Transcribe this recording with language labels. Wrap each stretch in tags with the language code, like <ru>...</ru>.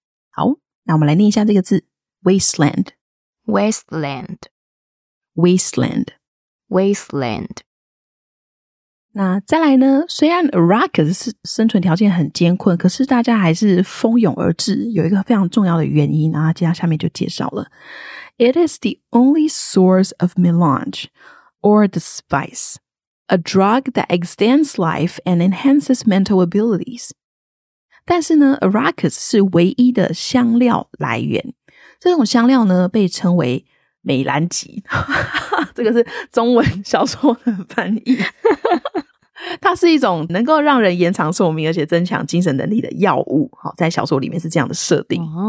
<zh>好，那我们来念一下这个字 wasteland</zh> <en>wasteland wasteland wasteland。</en> <zh>那再来呢，虽然 Arrakis 是生存条件很艰困，可是大家还是蜂拥而至，有一个非常重要的原因，然后接下面就介绍了。</zh> <en>It is the only source of melange or the spice, a drug that extends life and enhances mental abilities.</en> <zh>但是呢 Arrakis 是唯一的香料来源，这种香料呢被称为美兰吉，这个是中文小说的翻译。它是一种能够让人延长寿命而且增强精神能力的药物，在小说里面是这样的设定。</zh>